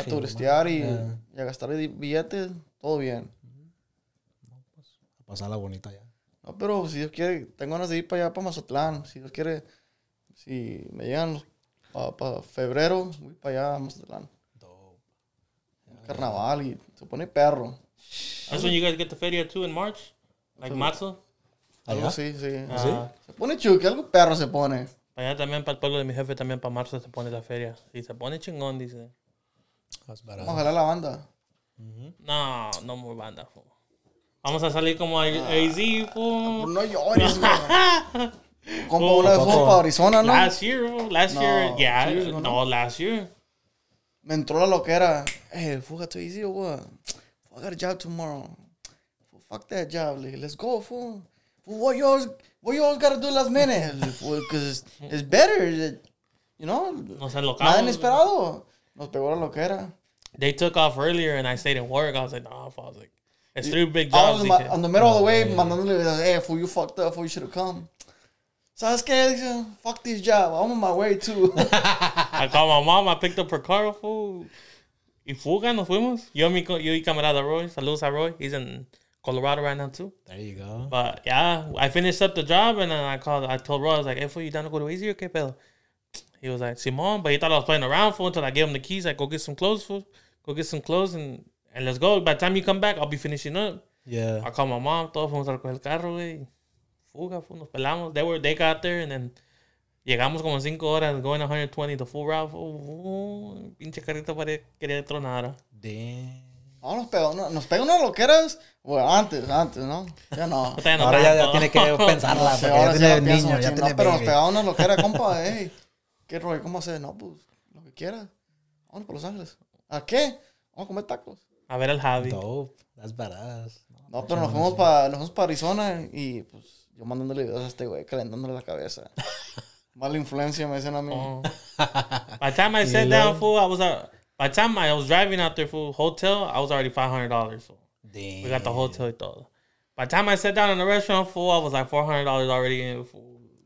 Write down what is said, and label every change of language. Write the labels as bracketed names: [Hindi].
[Spanish] a turistear y a gastar billetes, todo bien. No, pues, a pasarla bonita ya. No, pero si Dios quiere, tengo ganas de ir para allá, para Mazatlán. Si Dios quiere, si me llegan para febrero, voy para allá a Mazatlán. Dope. Carnaval y se pone perro. [English] That's when you guys get the feria too in March? Like marzo? [Spanish] Algo así, sí. ¿Sí? Se pone chuque, algo perro se pone. Allá también para el pueblo de mi jefe, también para marzo se pone la feria. Y se pone chingón, dice. Vamos a jalar la banda. Mm-hmm. No, no muy banda. Fo. Vamos a salir como AZ. Fo. No llores, güey. Como una vez fuimos para Arizona, ¿no? [English] Last year. No, yeah, no, last year. [Spanish] Me entró la loquera. [English] Hey, fuga to AZ, güey. I got a job tomorrow. Fo, fuck that job, like, let's go, fo. What you always gotta do last minute? Because it's better, you know? [Spanish] Nos enlocamos. Nada inesperado. Nos pegó la loquera. [English] They took off earlier and I stayed in work. I was like, It's three big jobs. I was in the middle of the way, mandándole, like, hey, fool, you fucked up, fool, you should have come. So I was scared, like, fuck this job. I'm on my way, too. I called my mom, I picked up her car, fool. [Spanish] Y fuga, nos fuimos. Yo, mi, yo y camarada Roy, saludos a Roy. [English] He's in Colorado right now, too. There you go. But yeah, I finished up the job, and then I called, I told Roy, I was like, hey, fool, you down to go to AZ or qué pedo? He was like, Simón, but he thought I was playing around, fool, until I gave him the keys. Like, go get some clothes, fool. Go get some clothes and let's go. By the time you come back, I'll be finishing up. Yeah. I called my mom. [Spanish] Todos fuimos a recoger el carro, güey. [English] Fuga, fool. [Spanish] Nos pelamos. [English] They got there, and then [Spanish] llegamos como 5 horas [English] going 120 the full route. [Spanish] Pinche carrito para querer tronar. Damn. Oh, nos pega unas loqueras. Bueno, antes, ¿no? Ya no. Ahora ya tiene que pensarla. Sí, ahora ya tiene niño, ya tiene baby. Pero nos pegaba unas loqueras, compa. Ey, ¿qué rollo? ¿Cómo hacer? No, pues, lo que quiera. Vamos para Los Ángeles. ¿A qué? Vamos a comer tacos. A ver al Javi. [English] Dope. That's badass. [Spanish] No, pero nos fuimos para Arizona y pues yo mandándole videos a este güey, calentándole la cabeza. Mala influencia me dicen a mí. [English] By the time I sat down, fool, I was by the time I was driving out there, fool, hotel, I was already $500, fool. Damn. We got the hotel y todo. By the time I sat down in the restaurant, fool, I was like $400 already in, fool.